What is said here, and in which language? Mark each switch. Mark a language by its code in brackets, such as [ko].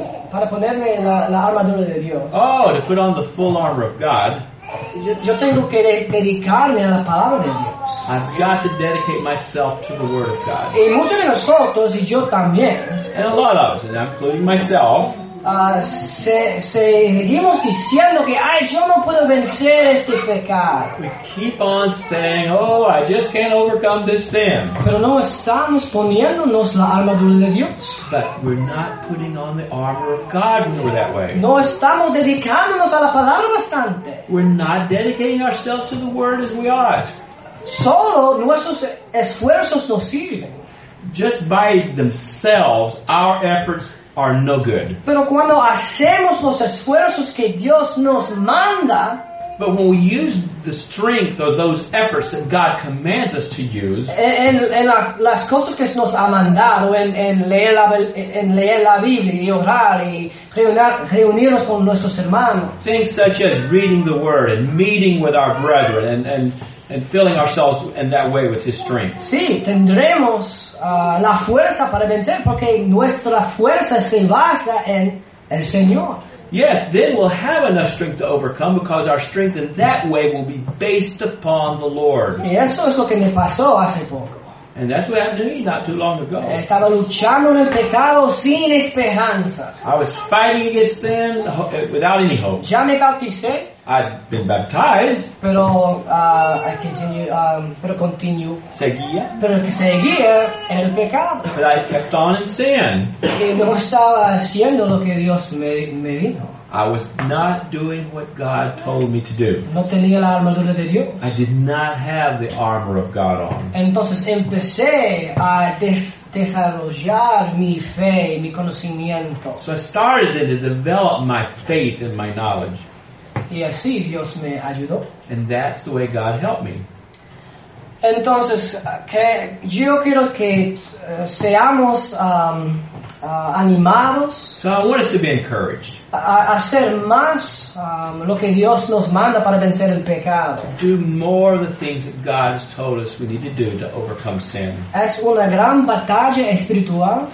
[es] Para ponerme la armadura de Dios. [en] Oh, to put on the full armor of God. [es] Yo tengo que dedicarme a la palabra de Dios. [en] I've got to dedicate myself to the Word of God. [es] Y muchos de nosotros, y yo también. [en] And a lot of us, and I'm including myself. [es] seguimos diciendo que, ay, yo no puedo vencer este pecado. [en] We keep on saying, oh, I just can't overcome this sin. [es] Pero no estamos poniéndonos la armadura de Dios. [en] But we're not putting on the armor of God when we're that way. [es] No estamos dedicándonos a la palabra bastante. [en] We're not dedicating ourselves to the word as we ought. [es] Solo nuestros esfuerzos no sirven. [en] Just by themselves, our efforts are no good. [es] Pero cuando hacemos los esfuerzos que Dios nos manda, [en] but when we use the strength or those efforts that God commands us to use, [es] en las cosas que nos ha mandado, en leer la Biblia y orar y reunirnos con nuestros hermanos, [en] things such as reading the Word and meeting with our brethren and filling ourselves in that way with His strength. [es] Sí, tendremos la fuerza para vencer porque nuestra fuerza se basa en el Señor. [en] Yes, then we'll have enough strength to overcome because our strength in that way will be based upon the Lord. [es] Y eso es lo que me pasó hace poco. [en] And that's what happened to me not too long ago. [es] Estaba luchando en el pecado sin esperanza. [en] I was fighting against sin without any hope. [es] Ya me bauticé. [en] I'd been baptized. Pero I continue. Pero continue. [es] Seguía. Pero que seguía en el pecado. [en] But I kept on in sin. [es] Y no estaba haciendo lo que Dios me dijo. [en] I was not doing what God told me to do. [es] No tenía la armadura de Dios. [en] I did not have the armor of God on. [es] Entonces empecé a desarrollar mi fe y mi conocimiento. [en] So I started then to develop my faith and my knowledge. [es] Y así Dios me ayudó. [en] And that's the way God helped me. [es] Entonces, que yo quiero que seamos animados. [en] So I want us to be encouraged. [es] A hacer más lo que Dios nos manda para vencer el pecado. [en] Do more of the things that God has told us we need to do to overcome sin. [es] Es una gran batalla espiritual.